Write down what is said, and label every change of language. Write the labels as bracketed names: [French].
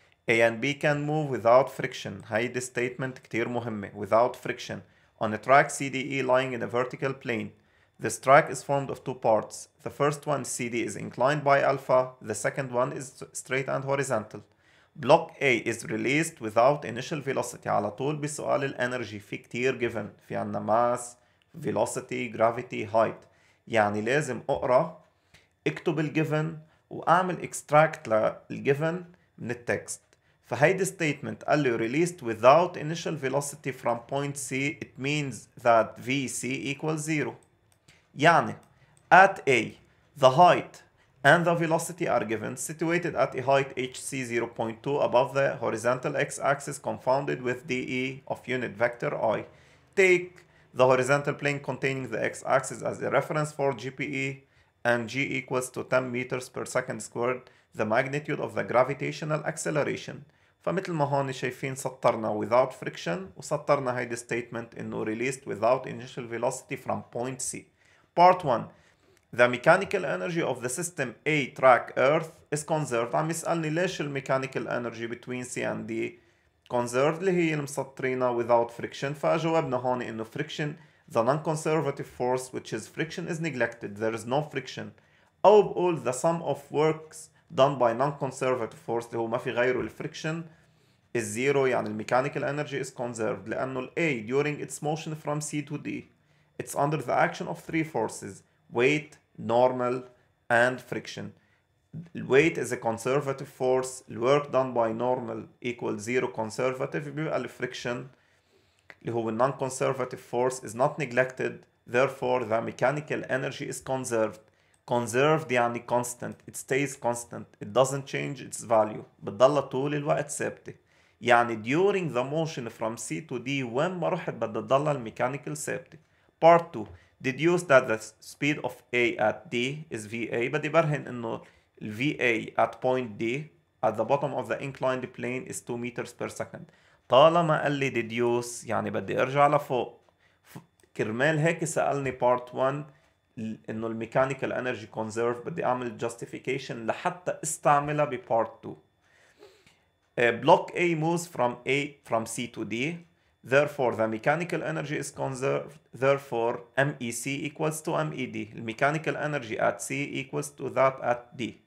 [English] A and B can move without friction. هيدي statement [Arabic] كتير مهمة, [English] without friction. On a track CDE lying in a vertical plane. This track is formed of two parts. The first one, CD, is inclined by alpha. The second one is straight and horizontal. Block A is released without initial velocity. [Arabic] على طول بسؤال الانرجي في كتير given. [English] في عنا mass, velocity, gravity, height. [Arabic] يعني لازم اقرأ, اكتب الgiven واعمل extract للgiven من التكست. [English] فهيدي statement [Arabic] قال لي [English] released without initial velocity from point C. It means that VC equals zero. يعني at A, the height and the velocity are given, situated at a height HC 0.2 above the horizontal x-axis confounded with DE of unit vector I. Take the horizontal plane containing the x-axis as a reference for GPE and G equals to 10 meters per second squared, the magnitude of the gravitational acceleration. [Arabic] فمثل ما هون شايفين سطرنا [English] without friction [Arabic] وسطرنا هيدي [English] statement انه released without initial velocity from point C. Part 1. The mechanical energy of the system A track Earth is conserved. [Arabic] عم يسألني ليش الميكانيكال انرجي [English] between C and D conserved [Arabic] اللي هي المسطرينة [English] without friction. [Arabic] فجوابنا هون انه [English] friction, the non-conservative force which is friction is neglected. There is no friction. [Arabic] أو بقول [English] the sum of works done by non-conservative force [Arabic] اللي هو ما في غيره الفريكشن [English] is zero. [Arabic] يعني الميكانيكال انرجي [English] is conserved لأنه الA during its motion from C to D. It's under the action of three forces, weight, normal, and friction. Weight is a conservative force. Work done by normal equals zero conservative. Friction, who is non-conservative force, is not neglected. Therefore, the mechanical energy is conserved. Conserved يعني constant. It stays constant. It doesn't change its value. [Arabic] بتضل طول الوقت ثابتة. [English] يعني during the motion from C to D, when [Arabic] ما رحت بدها تضل الميكانيكال ثابتة. [English] Part 2. Deduce that the speed of A at D is VA. [Arabic] بدي برهن انه [English] VA at point D at the bottom of the inclined plane is 2 meters per second. [Arabic] طالما قال لي deduce يعني بدي ارجع لفوق. كرمال هيك سألني part 1 انه الميكانيكال انرجي conserved. بدي اعمل justification لحتى استعملها بpart 2. [English] Block A moves from A from C to D. Therefore, the mechanical energy is conserved. Therefore, MEC equals to MED. Mechanical energy at C equals to that at D.